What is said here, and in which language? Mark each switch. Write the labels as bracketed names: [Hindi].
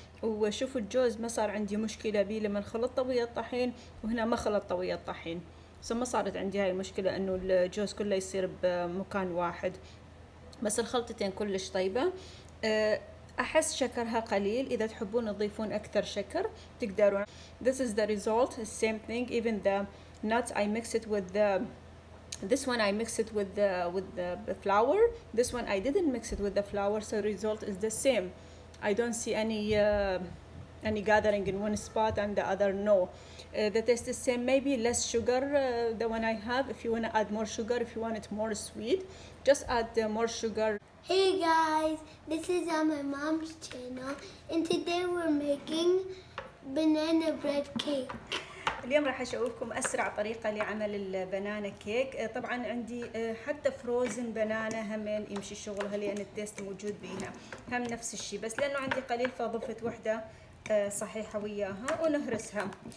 [Arabic] وشوفوا الجوز ما صار عندي مشكلة بيه لما خلطته ويا الطحين، وهنا ما خلطته ويا الطحين. ما صارت عندي هاي المشكلة انه الجوز كله يصير بمكان واحد، بس الخلطتين كلش طيبة. احس شكرها قليل، اذا تحبون تضيفون اكثر شكر تقدرون. [English] This is the result, same thing. Even the nuts I mix it with this one I mix it with the flour. This one I didn't mix it with the flour, so result is the same. I don't see any gathering in one spot and the other no. The taste is same, maybe less sugar the one I have. If you want to add more sugar, if you want it more sweet, just add more sugar. Hey guys, this is on my mom's channel and today we're making banana bread cake. [Arabic] اليوم راح اشوفكم اسرع طريقه لعمل البنانا كيك. طبعا عندي حتى فروزن بنانا همين يمشي شغلها لان التيست موجود بيها، هم نفس الشيء، بس لانه عندي قليل فضفت وحده صحيحه وياها ونهرسها.